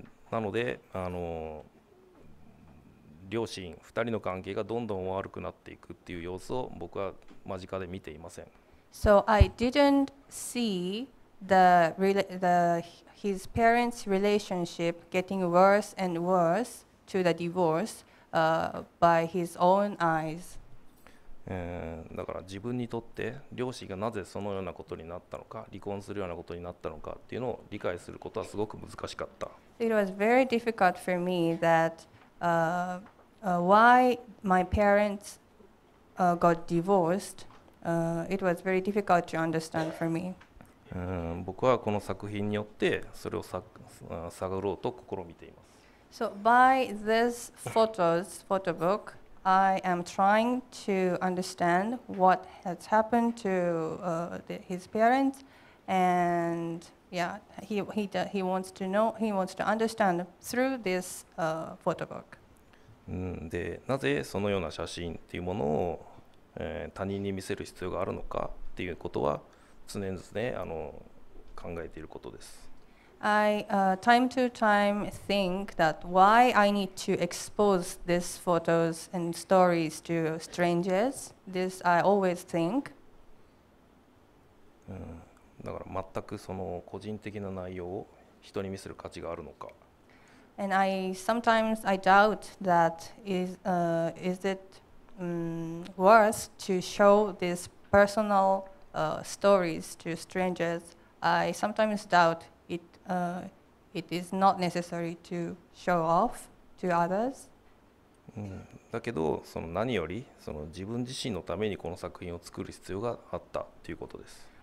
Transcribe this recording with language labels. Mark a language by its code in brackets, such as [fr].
[ja] なので両親2人の関係がどんどん悪くなっていくっていう様子を僕は間近で見ていません。 [en] So I didn't see. His parents' relationship getting worse and worse to the divorce by his own eyes. [ja] だから自分にとって両親がなぜそのようなことになったのか、離婚するようなことになったのかっていうのを理解することはすごく難しかった。 [en] It was very difficult for me that why my parents got divorced. It was very difficult to understand for me. [ja] 僕はこの作品によってそれを探ろうと試みています。 [en] So by this photos, photo book, I am trying to understand what has happened to his parents, and yeah, he wants to know, he wants to understand through this photo book. [ja] で、なぜそのような写真っていうものを、他人に見せる必要があるのかっていうことは。常々、ね、考えていることです。 [en] I time to time think that why I need to expose these photos and stories to strangers. This I always think. [ja] だから全くその個人的な内容を人に見せる価値があるのか。 [en] And I sometimes I doubt that is it worth to show this personal. Stories to strangers. I sometimes doubt it. It is not necessary to show off to others. [ja] だけど、その何よりその自分自身のためにこの作品を作る必要があったということです。